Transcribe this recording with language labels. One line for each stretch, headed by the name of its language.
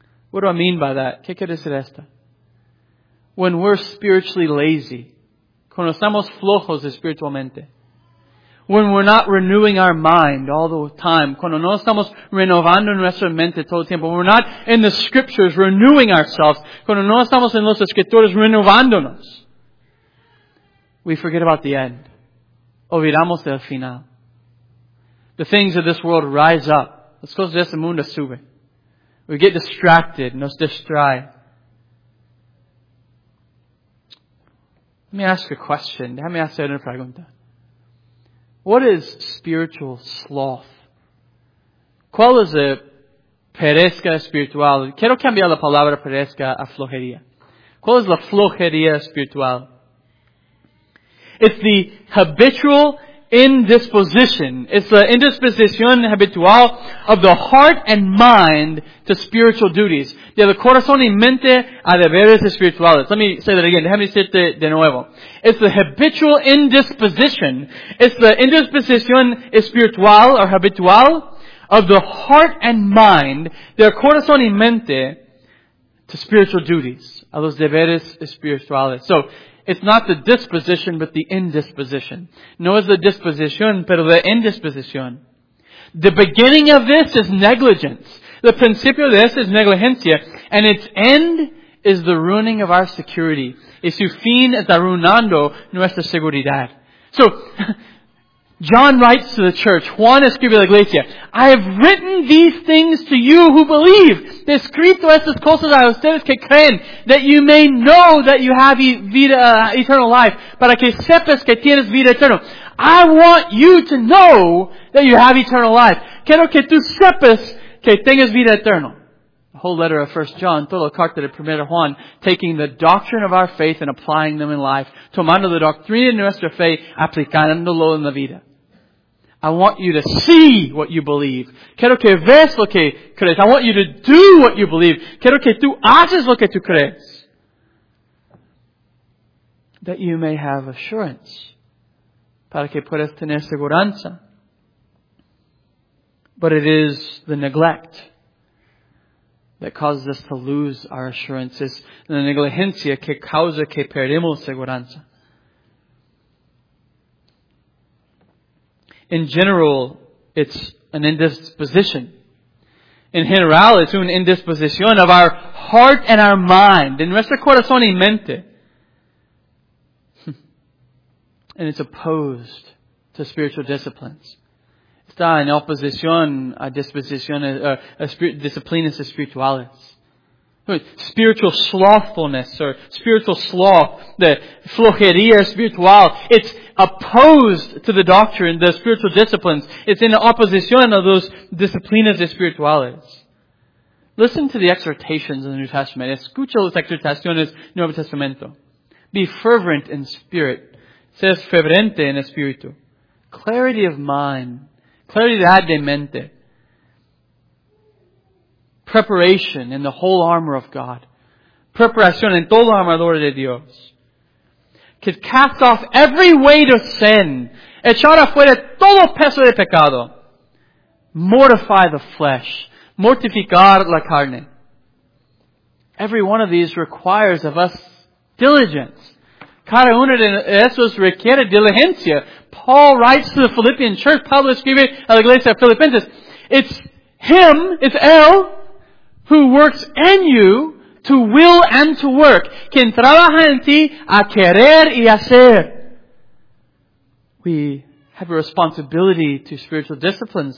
English: What do I mean by that?
Spanish: ¿Qué quiere decir esto?
English: When we're spiritually lazy,
Spanish: cuando estamos flojos espiritualmente,
English: when we're not renewing our mind all the time,
Spanish: cuando no estamos renovando nuestra mente todo el tiempo,
English: when we're not in the Scriptures renewing ourselves,
Spanish: cuando no estamos en los Escrituras renovándonos,
English: we forget about the end.
Spanish: Olvidamos del final.
English: The things of this world rise up.
Spanish: Las cosas de este mundo suben.
English: We get distracted.
Spanish: Nos distrae.
English: Let me ask a question.
Spanish: Déjame hacer una pregunta.
English: What is spiritual sloth?
Spanish: ¿Cuál es la pereza espiritual? Quiero cambiar la palabra pereza a flojería. ¿Cuál es la flojería espiritual?
English: It's the habitual indisposition. It's the
Spanish: indisposición habitual
English: of the heart and mind to spiritual duties.
Spanish: De la corazón y mente a deberes espirituales.
English: Let me say that again.
Spanish: Déjame decirte de nuevo.
English: It's the habitual indisposition. It's the
Spanish: indisposición espiritual
English: or habitual of the heart and mind,
Spanish: de la corazón y mente,
English: to spiritual duties.
Spanish: A los deberes espirituales.
English: So, it's not the disposition, but the indisposition.
Spanish: No es la disposición, pero la indisposición.
English: The beginning of this is negligence.
Spanish: The principio de esto es negligencia.
English: And its end is the ruining of our security.
Spanish: Y su fin es arruinando nuestra seguridad.
English: So, John writes to the church,
Spanish: Juan escribe la iglesia,
English: I have written these things to you who believe.
Spanish: He escrito estas cosas a ustedes que creen,
English: that you may know that you have eternal life,
Spanish: para que sepas que tienes vida eterna.
English: I want you to know that you have eternal life.
Spanish: Quiero que tú sepas que tengas vida eterna.
English: The whole letter of 1 John,
Spanish: toda la carta de 1 Juan,
English: taking the doctrine of our faith and applying them in life,
Spanish: tomando la doctrina de nuestra fe, aplicándolo en la vida.
English: I want you to see what you believe.
Spanish: Quiero que veas lo que crees.
English: I want you to do what you believe.
Spanish: Quiero que tú haces lo que tú crees.
English: That you may have assurance.
Spanish: Para que puedas tener seguridad.
English: But it is the neglect that causes us to lose our assurance.
Spanish: Es la negligencia que causa que perdemos seguridad.
English: In general, it's an indisposition. In general, it's an indisposition of our heart and our mind.
Spanish: En nuestro corazón y mente.
English: And it's opposed to spiritual disciplines.
Spanish: Está en oposición a disposiciones, disciplinas espirituales.
English: Spiritual slothfulness or spiritual sloth, the
Spanish: flojería espiritual.
English: It's opposed to the doctrine, the spiritual disciplines. It's in opposition of those
Spanish: disciplinas espirituales.
English: Listen to the exhortations in the New Testament.
Spanish: Escucha las exhortaciones del Nuevo Testamento.
English: Be fervent in spirit.
Spanish: Seas fervente en espíritu.
English: Clarity of mind.
Spanish: Claridad de mente.
English: Preparation in the whole armor of God.
Spanish: Preparación en toda la armadura de Dios. Que
English: cast off every weight of sin.
Spanish: Echar afuera todo peso de pecado.
English: Mortify the flesh.
Spanish: Mortificar la carne.
English: Every one of these requires of us diligence.
Spanish: Cada uno de esos requiere diligencia.
English: Paul writes to the Philippian church.
Spanish: Pablo escribe a la iglesia filipenses.
English: It's him, it's él, who works in you to will and to work.
Spanish: Quien trabaja en ti a querer y hacer.
English: We have a responsibility to spiritual disciplines.